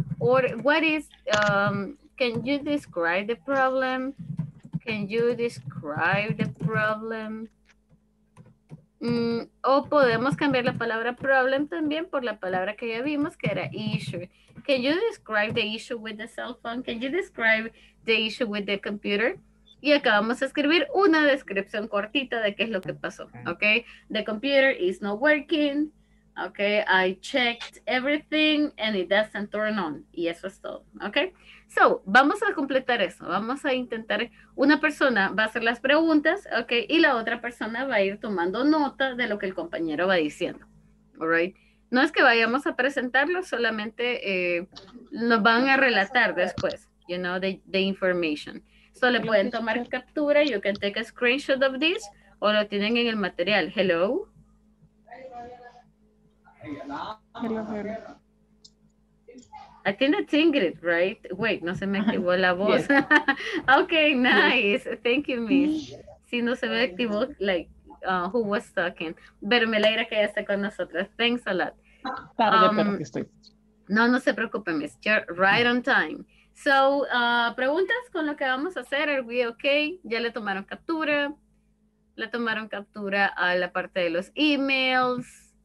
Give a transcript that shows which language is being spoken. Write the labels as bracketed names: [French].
[English] Or what is, can you describe the problem? Can you describe the problem? [Spanish] O podemos cambiar la palabra problem también por la palabra que ya vimos que era issue. [English] Can you describe the issue with the cell phone? Can you describe the issue with the computer? [Spanish] Y acá vamos a escribir una descripción cortita de qué es lo que pasó. [English] Okay, the computer is not working. Okay, I checked everything and it doesn't turn on. [Spanish] Y eso es todo, okay? So, vamos a completar eso. Vamos a intentar, una persona va a hacer las preguntas, okay? Y la otra persona va a ir tomando nota de lo que el compañero va diciendo, [English] all right? [Spanish] No es que vayamos a presentarlo, solamente nos van a relatar después, [English] you know, the information. [Spanish] So le pueden tomar captura. [English] You can take a screenshot of this [Spanish] o lo tienen en el material. Hello. [English] Hello. I think that's Ingrid, right? [Spanish] Wait, no se me activó la voz. [English] Yes. Okay, nice. Thank you, Miss. [Spanish] Si no se me activó, [English] like, who was talking. [Spanish] Pero me alegra que ya esté con nosotras. [English] Thanks a lot. [Spanish] No se preocupe, Miss. [English] You're right on time. [Spanish] So, preguntas con lo que vamos a hacer. [English] Are we okay? [Spanish] Ya le tomaron captura. Le tomaron captura a la parte de los emails.